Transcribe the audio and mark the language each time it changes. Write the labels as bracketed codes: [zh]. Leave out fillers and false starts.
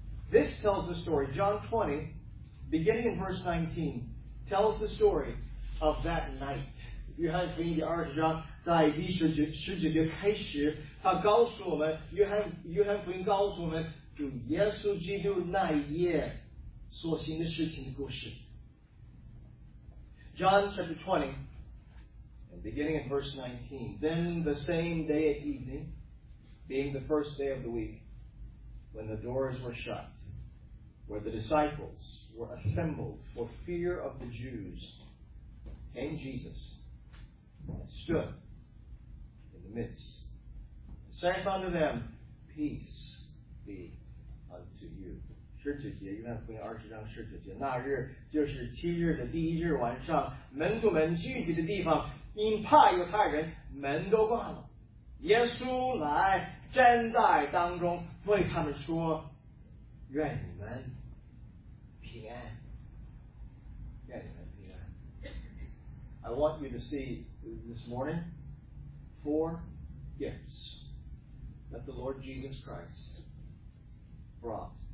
[en] This tells the story, John 20, beginning in verse 19, tells the story of that night. [zh] 约翰福音第二十章，在第十九节开始，他告诉我们，约翰福音告诉我们，主耶稣基督那一夜所行的事情的故事。 [en] John chapter 20, beginning at verse 19. Then the same day at evening, being the first day of the week, when the doors were shut, where the disciples were assembled for fear of the Jews, came Jesus and stood in the midst and saith unto them, Peace be unto you. [zh] 十九节，约翰福音二十章十九节，那日就是七日的第一日晚上，门徒们聚集的地方，因怕犹太人，门都关了。耶稣来站在当中，对他们说：“愿你们平安，愿你们平安。” [en] I want you to see this morning four gifts that the Lord Jesus Christ brought.